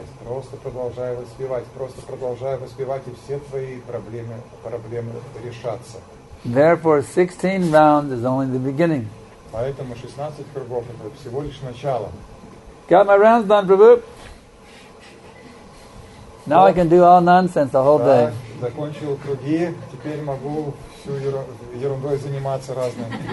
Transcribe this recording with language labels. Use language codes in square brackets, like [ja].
[ru] Просто продолжай воспевать, и все твои проблемы решатся. [en] Therefore, 16 rounds is only the beginning. [ru] Поэтому 16 кругов это всего лишь начало. [en] Got my rounds done, Prabhu. Now I can do all nonsense the whole day. [ru] Закончил круги, теперь могу всю ерундой заниматься разным.